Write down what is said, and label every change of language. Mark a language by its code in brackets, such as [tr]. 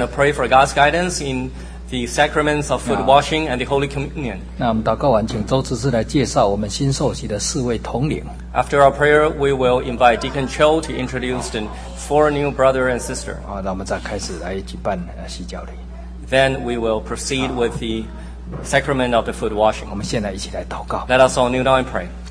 [en] to pray for God's guidance in the sacraments of foot washing and the Holy Communion. [zh] 那我们祷告完，请周执事来介绍我们新受洗的四位同领。 [en] After our prayer, we will invite Deacon Cho to introduce the four new brother and sister. [zh] 好，那我们再开始来举办洗脚礼。 [en] Then we will proceed with the sacrament of the foot washing. [zh] 我们现在一起来祷告。 [en] Let us all kneel down and pray.